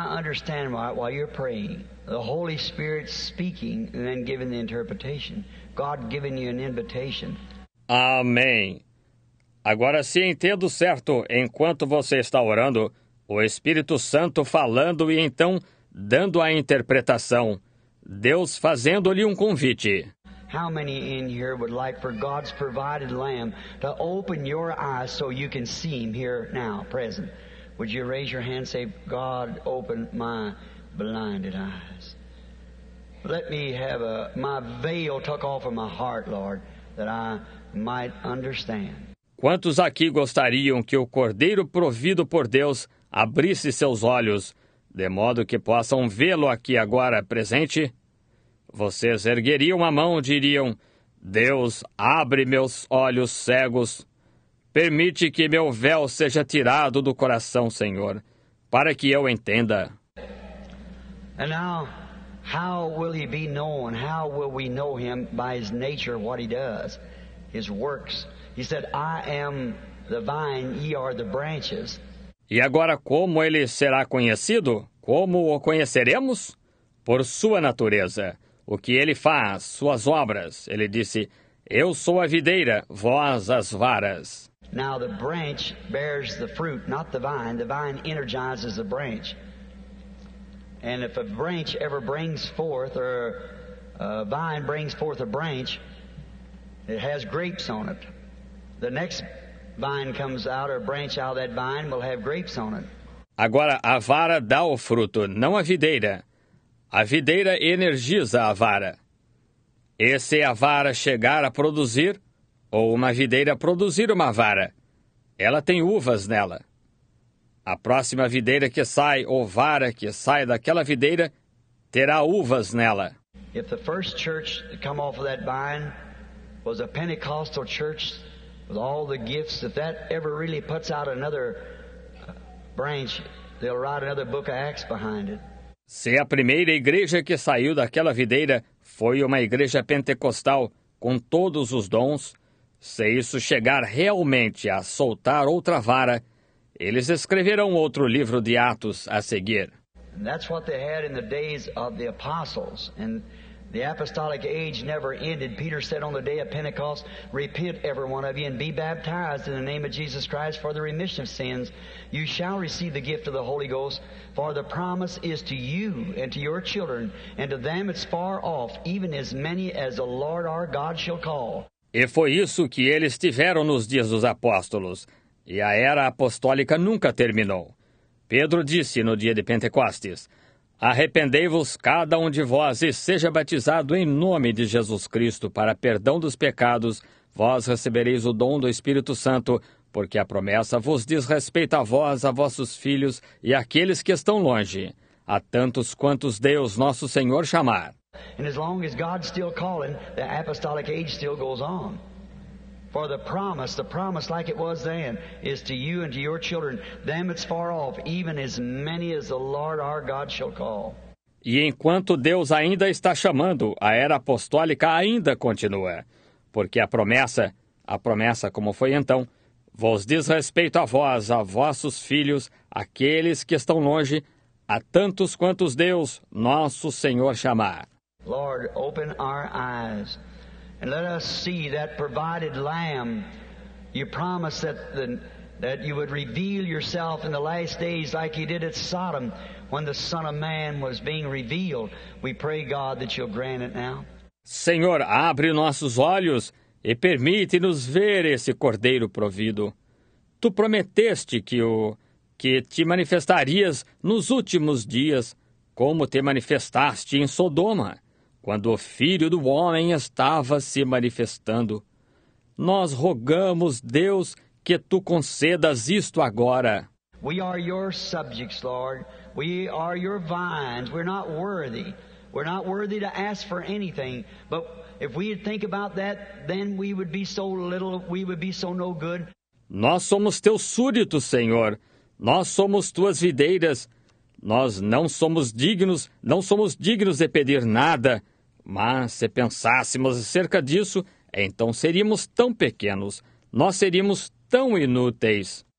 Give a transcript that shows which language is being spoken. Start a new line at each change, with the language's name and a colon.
English: Understand while you're praying, the Holy Spirit speaking and then giving the interpretation. God giving you an invitation.
Portuguese: Amém. Agora, se entendo certo, enquanto você está orando, o Espírito Santo falando e então dando a interpretação, Deus fazendo-lhe um convite.
English: How many in here would like for God's provided Lamb to open your eyes so you can see Him here now, present? Would you raise your hand and say, God, open my blinded eyes. Let me have my veil took off of my heart, Lord, that I might understand.
Portuguese: Quantos aqui gostariam que o Cordeiro provido por Deus abrisse seus olhos, de modo que possam vê-lo aqui agora presente? Vocês ergueriam a mão e diriam, Deus, abre meus olhos cegos. Permite que meu véu seja tirado do coração, Senhor, para que eu entenda.
English: And now, how will he be known? How will we know him by his nature, what he does, his works? He said, I am the vine, ye are the branches.
Portuguese: E agora, como ele será conhecido? Como o conheceremos? Por sua natureza, o que ele faz, suas obras. Ele disse: Eu sou a videira, vós as varas.
English: Now the branch bears the fruit, not the vine. The vine energizes the branch. And if a branch ever brings forth, or a vine brings forth a branch, it has grapes on it. The next vine comes out, or branch out of that vine, will have grapes on it.
Portuguese: Agora, a vara dá o fruto, não a videira. A videira energiza a vara. E se a vara chegar a produzir, ou uma videira produzir uma vara, ela tem uvas nela. A próxima videira que sai, ou vara que sai daquela videira, terá uvas nela.
English: If the first church to come off of that vine was a Pentecostal church with all the gifts, if that ever really puts out another branch, they'll write another book of Acts behind it.
Portuguese: Se a primeira igreja que saiu daquela videira foi uma igreja pentecostal com todos os dons, se isso chegar realmente a soltar outra vara, eles escreverão outro livro de Atos a seguir.
English: And that's what they had in the days of the apostles. And the apostolic age never ended. Peter said on the day of Pentecost, Repent, every one of you, and be baptized in the name of Jesus Christ for the remission of sins. You shall receive the gift of the Holy Ghost, for the promise is to you and to your children, and to them it's far off, even as many as the Lord our God shall call.
Portuguese: E foi isso que eles tiveram nos dias dos apóstolos, e a era apostólica nunca terminou. Pedro disse no dia de Pentecostes, Arrependei-vos cada um de vós e seja batizado em nome de Jesus Cristo para perdão dos pecados. Vós recebereis o dom do Espírito Santo, porque a promessa vos diz respeito a vós, a vossos filhos e àqueles que estão longe, a tantos quantos Deus nosso Senhor chamar.
English: And as long as God's still calling, the apostolic age still goes on. For the promise like it was then, is to you and to your children, them it's far off, even as many as the Lord our God shall call.
Portuguese: E enquanto Deus ainda está chamando, a era apostólica ainda continua. Porque a promessa como foi então, vos diz respeito a vós, a vossos filhos, aqueles que estão longe, a tantos quantos Deus, nosso Senhor, chamar.
English: Lord, open our eyes and let us see that provided lamb. You promised that you would reveal yourself in the last days like you did at Sodom when the Son of Man was being revealed. We pray, God, that you'll grant it now.
Portuguese: Senhor, abre nossos olhos e permite-nos ver esse cordeiro provido. Tu prometeste que te manifestarias nos últimos dias como te manifestaste em Sodoma. Quando o Filho do Homem estava se manifestando, nós rogamos, Deus, que tu concedas isto agora.
English: We are your subjects, Lord. We are your vines. We're not worthy. We're not worthy to ask for anything. But if we think about that, then we would be so little, we would be so no good.
Portuguese: Nós somos teus súditos, Senhor. Nós somos tuas videiras. Nós não somos dignos de pedir nada. Mas se pensássemos acerca disso, então seríamos tão pequenos, nós seríamos tão inúteis.